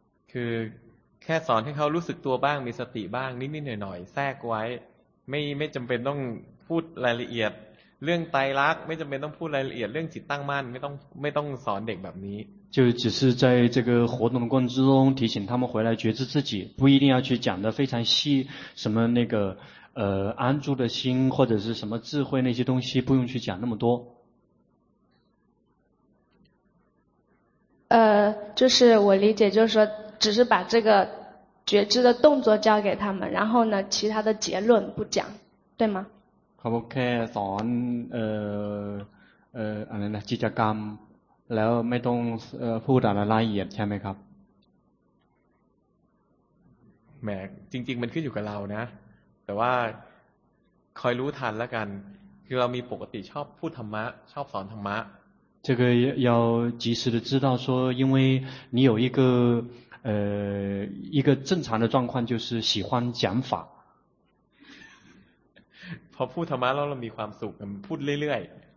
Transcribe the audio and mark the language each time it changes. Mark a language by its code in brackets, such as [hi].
[th] คือแค่สอนให้เขารู้สึกตัวบ้างมีสติบ้างนิดๆหน่อยๆแทรกไว้ไม่จำเป็นต้องพูดรายละเอียดเรื่องไตรลักษณ์ไม่จำเป็นต้องพูดรายละเอียดเรื่องจิตตั้งมั่นไม่ต้องสอนเด็กแบบนี้ [zh] 就只是在这个活动的过程之中提醒他们回来觉知自己，不一定要去讲的非常细什么那个安住的心或者是什么智慧那些东西，不用去讲那么多。就是我理解就是说只是把这个觉知的动作交给他们，然后呢其他的结论不讲，对吗？可不可以从 [th] อะไรนะกิจกรรมแล้วไม่ต้องพูดอะไรรายละเอียดใช่ไหมครับ แหมจริงๆมันขึ้นอยู่กับเรานะแต่ว่าคอยรู้ทันแล้วกันคือเรามีปกติชอบพูดธรรมะชอบสอนธรรมะ [zh] 这个要及时的知道说因为你有一个正常的状况就是喜欢讲法 [th] พอพูดธรรมะแล้วเรามีความสุขพูดเรื่อยๆ